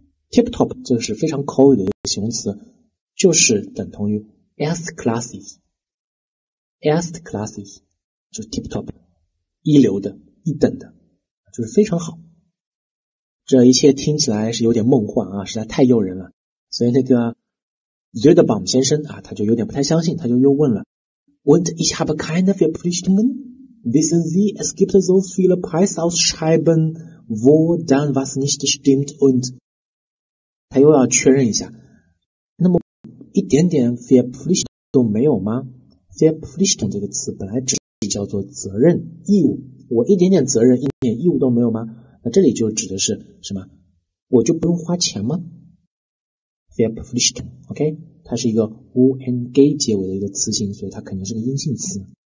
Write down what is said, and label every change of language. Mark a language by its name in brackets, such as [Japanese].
[Chinese] Tipptopp 这个是非常口语的一个形容词，就是等同于 Erste Klasse 就是 tip top， 一流的一等的，就是非常好。这一切听起来是有点梦幻啊，实在太诱人了。所以那个 Zedebaum 先生啊，他就有点不太相信，他就又问了 [German] Und ich habe keine Verpflichtungen? Wissen Sie, es gibt so viele Preisausschreiben, wo dann was nicht stimmt und [Chinese] 他又要确认一下，那么一点点 [German] Verpflichtungen [Chinese] 都没有吗？ Verpflichtung 这个词本来指叫做责任义务，我一点点责任一点义务都没有吗？那这里就指的是什么？我就不用花钱吗？ Verpflichtung OK， 它是一个 ung 结尾的一个词性，所以它肯定是个阴性词。